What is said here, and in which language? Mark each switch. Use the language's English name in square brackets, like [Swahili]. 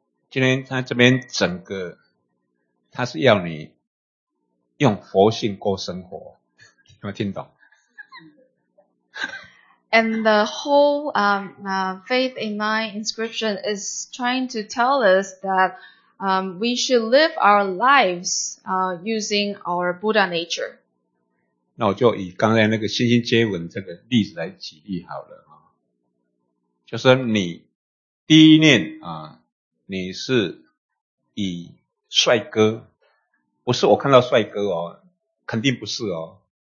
[Chinese] 今天他这边整个他是要你用佛性过生活，有没有听懂？ [English] And the whole Faith in Mind inscription is trying to tell us that we should live our lives using our Buddha nature. [Chinese] 那我就以刚才那个星星接吻这个例子来举例好了，就是你第一念你是以帅哥，不是我看到帅哥哦，肯定不是哦。